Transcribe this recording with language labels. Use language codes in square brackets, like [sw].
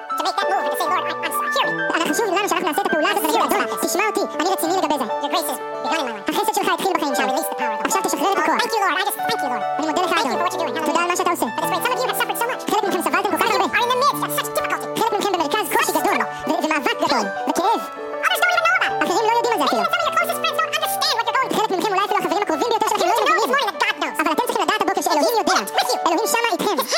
[en] To make that move and to say, Lord, I'm hear me. [he] חשוב לנו שאנחנו נעשה את הפעולה הזאת ונגיד, אדון, תשמע אותי, אני רציני לגבי זה. [en] Your grace has begun in my life. [he] החסד שלך התחיל בחיים שלי. [en] I release the power of God. [he] עכשיו תשחרר את הכוח. [en] Thank you, Lord. I just thank you, Lord. [he] אני מודה לך, אדון. [en] Thank you for what you're doing. [he] תודה על מה שאתה עושה. [en] That's right. Some of you have suffered so much. [he] חלק מכם סבלתם כל כך הרבה. [en] Are in the midst of such difficulty. [he] חלק מכם במרכז קושי גדול. ומאבק גדול. וכאב. [en] Others don't even know about. [he] אחרים לא יודעים על זה אפילו. [en] Some of your closest friends don't understand what you're going through. [he] חלק מכם אולי אפילו החברים הקרובים ביותר שלכם לא מבינים. אבל אתם צריכים לדעת הבוקר שאלוהים יודע. אלוהים שמה איתכם.